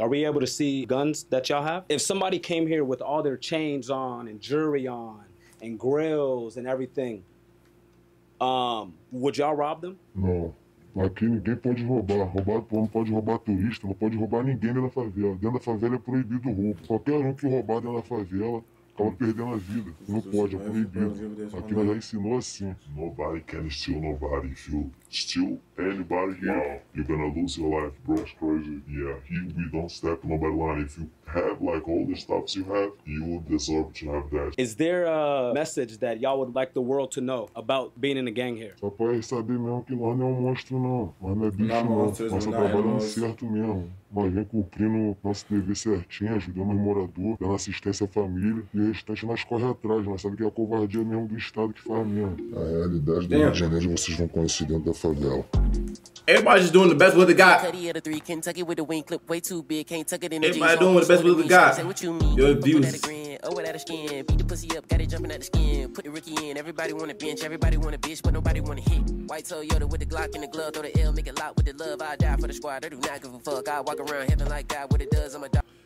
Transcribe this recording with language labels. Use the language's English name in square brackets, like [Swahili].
[English] Are we able to see guns that y'all have? If somebody came here with all their chains on and jewelry on and grills and everything, would y'all rob them? No. [Portuguese] Aqui ninguém pode roubar. Roubar não pode roubar turista, não pode roubar ninguém dentro da favela. Dentro da favela é proibido roubo. Qualquer um que roubar dentro da favela acaba perdendo a vida. Não pode, é proibido. Aqui nós já ensinou assim. [English] Nobody can steal nobody. If you steal anybody here, you're gonna lose your life, bro. It's crazy. Yeah, here we don't step nobody line. If you have like all the stuffs you have, you deserve to have that. Is there a message that y'all would like the world to know about being in a gang here? [Portuguese] Só pra saber mesmo que lá não é um monstro não. Mas não é bicho não. Nós tá trabalhando certo mesmo. Mas vem cumprindo nosso dever certinho, ajudando os moradores, dando assistência à família. E o restante nós corre atrás, nós sabemos que é a covardia mesmo do Estado que faz mesmo. A realidade do Rio de Janeiro vocês vão conhecer dentro da favela. [English] Everybody's just doing the best with the guy. Cutty at a three, Kentucky with a wing clip, way too big. Can't tuck it in. Everybody doing the best with the guy. Say what you mean. Your abuse. Oh, without a skin. Beat the pussy up, got it jumping out the skin. Put the rookie in. Everybody want a bench. Everybody want a bitch, but nobody want to hit. White Toyota with the Glock in the glove. Throw the L, make it lock with the love. I die for the squad. I do not give a fuck. I walk around heaven like God. What it does, I'm a dog.